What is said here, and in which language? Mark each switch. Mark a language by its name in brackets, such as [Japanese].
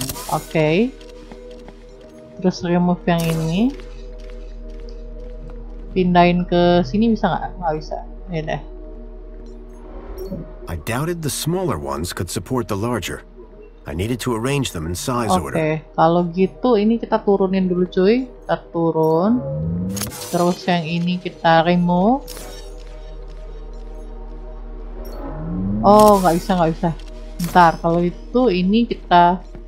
[Indonesian] Okay, terus remove yang ini, pindahin ke sini bisa nggak? Nggak bisa, ya deh. [English] I doubted the smaller ones could support the larger. I needed to arrange them in size order. [Indonesian] Okay, kalau gitu ini kita turunin dulu cuy. Kita turun. Terus yang ini kita remove. Oh, nggak bisa, nggak bisa. Ntar, kalau itu ini kita...